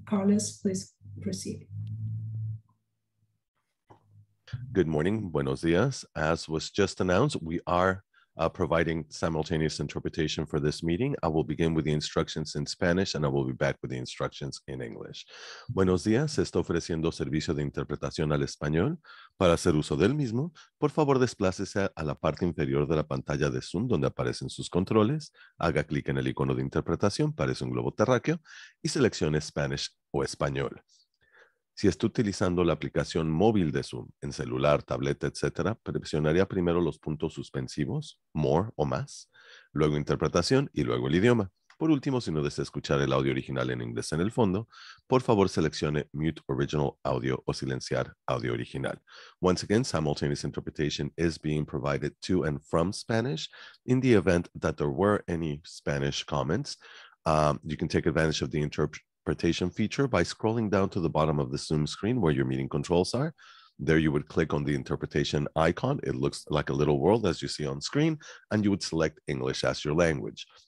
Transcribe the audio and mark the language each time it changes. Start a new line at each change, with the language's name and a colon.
English: Carlos, please proceed. Good morning,
Spanish: buenos dias.
English: As was just announced, we are providing simultaneous interpretation for this meeting. I will begin with the instructions in Spanish and I will be back with the instructions in English.
Spanish: Buenos dias, está ofreciendo servicio de interpretación al español. Para hacer uso del mismo, por favor, desplácese a la parte inferior de la pantalla de Zoom donde aparecen sus controles, haga clic en el icono de interpretación, parece un globo terráqueo, y seleccione Spanish o español. Si está utilizando la aplicación móvil de Zoom, en celular, tableta, etc., presionaría primero los puntos suspensivos, More o Más, luego Interpretación y luego el idioma. Por último, si no desea escuchar el audio original en inglés en el fondo, por favor seleccione
English: Mute Original Audio
Spanish: o Silenciar Audio Original.
English: Once again, simultaneous interpretation is being provided to and from Spanish. In the event that there were any Spanish comments, you can take advantage of the interpretation feature by scrolling down to the bottom of the Zoom screen where your meeting controls are. There you would click on the interpretation icon. It looks like a little world as you see on screen, and you would select English as your language.